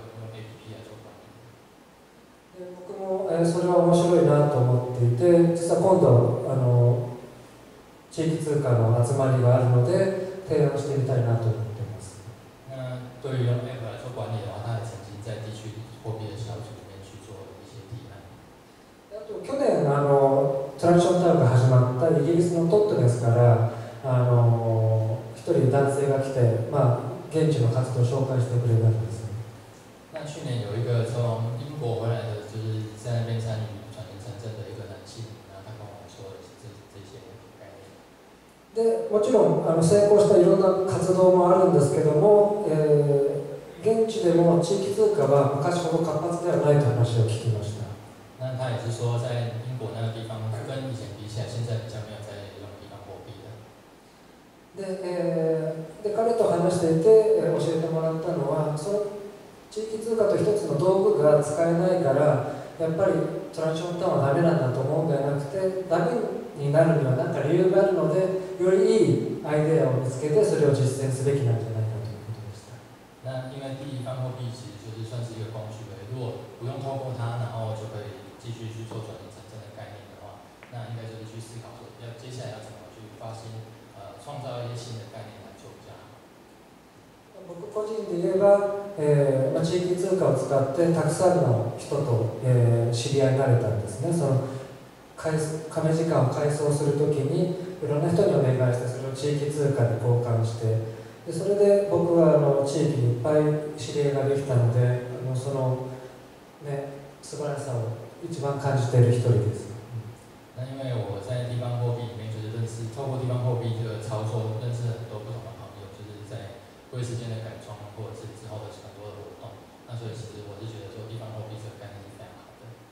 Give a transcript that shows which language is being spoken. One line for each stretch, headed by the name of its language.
Japanese: 僕もそれは面白いなと思っていて、実は今度地域通貨の集まりがあるので提案してみたいなと思っています。
Chinese: 对于Apple来说管理的话，他也曾经在地区货币的小组里面去做一些提案。
Japanese: 去年トランションタウンが始まったイギリスのトットですから、一人男性が来て、まあ現地の活動を紹介してくれたんです。
Chinese: 那去年有一个从英国回来的，就是在那边参与转型城镇的一个男性，然后他跟我说这些概念。
Japanese: で、もちろん成功したいろんな活動もあるんですけども、現地でも地域通貨は昔ほど活発ではないという話を聞きました。
Chinese: 那他也是说，在英国那个地方，跟以前比起来，现在比较没有在用地方货币了。
Japanese: で、彼と話していて、教えてもらったのは、その地域通貨と一つの道具が使えないから、やっぱりトランションタウンはダメなんだと思うんではなくて、ダメになるには何か理由があるので、よりいいアイデアを見つけて、それを実践すべきなんじゃないかということでした。
Chinese: 那因为地方货币其实就是算是一个工具呗，如果不用通过它，然后就可以。继续去做转型城镇的概念的话，那应该就是去思考说，要接下来要怎么去发新，创造一些新的概念来做比较好。
Japanese: 僕個人で言えば、地域通貨を使ってたくさんの人と、知り合いになれたんですね。その亀時間を改装するときに、いろんな人にお願いしてそれを地域通貨に交換して、でそれで僕は地域にいっぱい知り合いができたので、そのね素晴らしさを。一番感じている一人です。
Chinese: 那因为我在地方货币里面就是认识，透过地方货币这个操作，认识很多不同的朋友，就是在贵司间的改装，或者是之后的很多的活动。那所以其实我是觉得说，地方货币这个概念是非常好的。